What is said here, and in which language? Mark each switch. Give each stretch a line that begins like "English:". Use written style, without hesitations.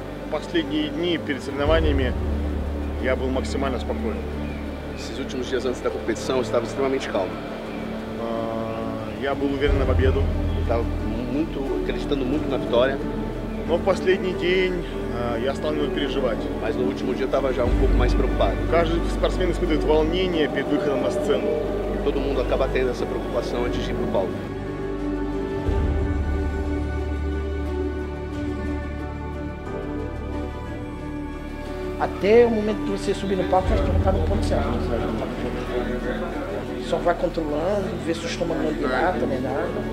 Russian: Последние дни перед соревнованиями я был максимально спокоен.
Portuguese: Esses últimos dias antes da competição, eu estava extremamente calmo.
Russian: Я был уверен на победу.
Portuguese: Eu estava muito acreditando muito na vitória.
Russian: Но в последний день я стал немного переживать.
Portuguese: Mas no último dia eu estava já um pouco mais preocupado.
Russian: Каждый спортсмен испытывает волнение перед выходом на сцену.
Portuguese: E todo mundo acaba tendo essa preocupação antes de ir pro palco. Até o momento que você subir no palco, você está no ponto certo. Só vai controlando, vê se o estômago não dilata, nem nada.